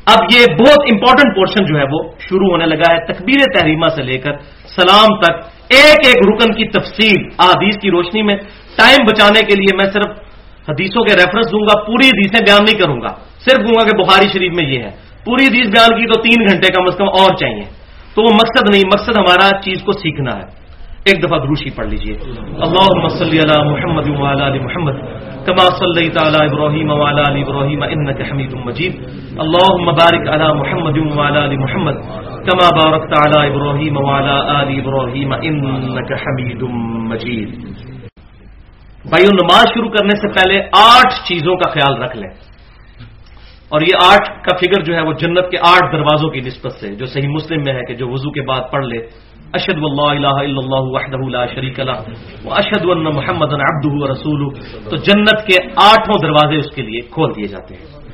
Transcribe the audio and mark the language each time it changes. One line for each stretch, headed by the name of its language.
Urdu: اب یہ بہت امپورٹنٹ پورشن جو ہے وہ شروع ہونے لگا ہے, تکبیر تحریمہ سے لے کر سلام تک ایک ایک رکن کی تفصیل احادیث کی روشنی میں. ٹائم بچانے کے لیے میں صرف حدیثوں کے ریفرنس دوں گا, پوری حدیثیں بیان نہیں کروں گا, صرف کہوں گا کہ بخاری شریف میں یہ ہے. پوری حدیث بیان کی تو 3 گھنٹے کم از کم اور چاہیے, تو وہ مقصد نہیں, مقصد ہمارا چیز کو سیکھنا ہے. ایک دفعہ دروشی پڑھ لیجیے.
Arabic: اللہم صلی علی محمد وعلی آل محمد كما صليت على ابراهيم وعلى ال ابراهيم انك حميد مجيد. اللهم بارك على محمد وعلى ال محمد كما باركت على ابراهيم وعلى ال ابراهيم انك حميد مجيد.
Urdu: بھائیو نماز شروع کرنے سے پہلے 8 چیزوں کا خیال رکھ لیں, اور یہ 8 کا فگر جو ہے وہ جنت کے 8 دروازوں کی نسبت سے جو صحیح مسلم میں ہے کہ جو وضو کے بعد پڑھ لے,
Arabic: اشهد ان لا اله الا الله وحده لا شريك له واشهد ان محمدا عبده ورسوله,
Urdu: تو جنت کے 8 دروازے اس کے لیے کھول دیے جاتے ہیں.